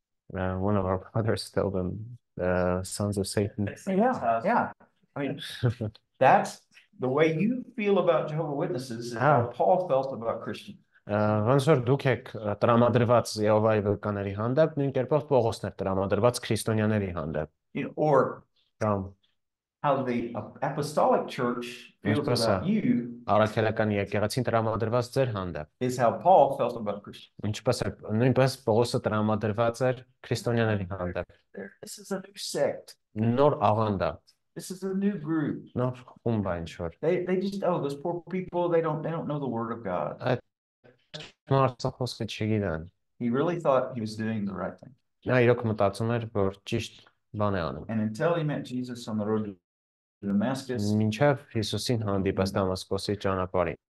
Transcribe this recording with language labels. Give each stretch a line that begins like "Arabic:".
English: One of our brothers told them the sons of Satan. Yeah. I mean, that's the way you feel about Jehovah's Witnesses is how Paul felt about Christians.
Armenian: Ոնց որ դուք եք տրամադրված Եհովայի վկաների հանդեպ, նույն կերպով Պողոսն էր տրամադրված քրիստոնյաների հանդեպ։
English: Or
Armenian: Կամ
English: how the apostolic church feels about you.
Armenian: Արաքելական եկեղեցին տրամադրված ձեր հանդեպ։
English: Is how Paul felt about Christians.
Armenian: Ինչպես է նույնպես Պողոսը տրամադրված էր քրիստոնյաների հանդեպ։
English: This is a new sect.
Armenian: Նոր աղանդա։
English: This is a new group.
Armenian: Նոր խումբա ինչ որ։
English: They just oh those poor people they don't know the word of God. He really thought he was doing the right thing. And until he met Jesus on the road to Damascus,
Armenian: մինչև Հիսուսին հանդիպեց Դամասկոսի ճանապարհին.